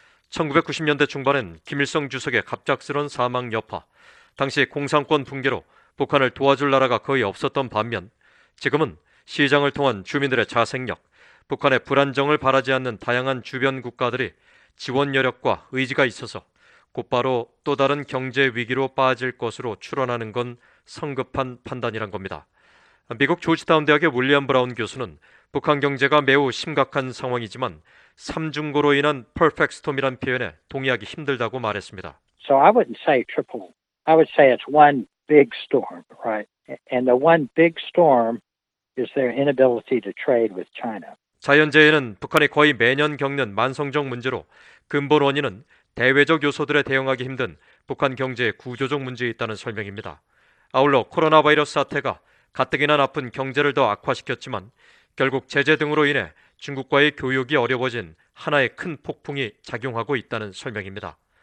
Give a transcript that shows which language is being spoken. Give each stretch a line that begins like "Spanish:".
Korean: 1990년대 중반엔 김일성 주석의 갑작스런 사망 여파, 당시 공산권 붕괴로 북한을 도와줄 나라가 거의 없었던 반면 지금은 시장을 통한 주민들의 자생력, 북한의 불안정을 바라지 않는 다양한 주변 국가들이 지원 여력과 의지가 있어서 곧바로 또 다른 경제 위기로 빠질 것으로 추론하는 건 성급한 판단이란 겁니다. 미국 조지타운 대학의 윌리엄 브라운 교수는 북한 경제가 매우 심각한 상황이지만 삼중고로 인한 퍼펙트 스톰이란 표현에 동의하기 힘들다고 말했습니다.
English: So I wouldn't say triple. I would say it's one big storm, right? And the one big storm is their inability to trade with China.
Korean: 자연재해는 북한이 거의 매년 겪는 만성적 문제로 근본 원인은 대외적 요소들에 대응하기 힘든 북한 경제의 구조적 문제에 있다는 설명입니다. 아울러 코로나 바이러스 사태가 가뜩이나 나쁜 경제를 더 악화시켰지만 결국 제재 등으로 인해 중국과의 교역이 어려워진 하나의 큰 폭풍이 작용하고 있다는 설명입니다.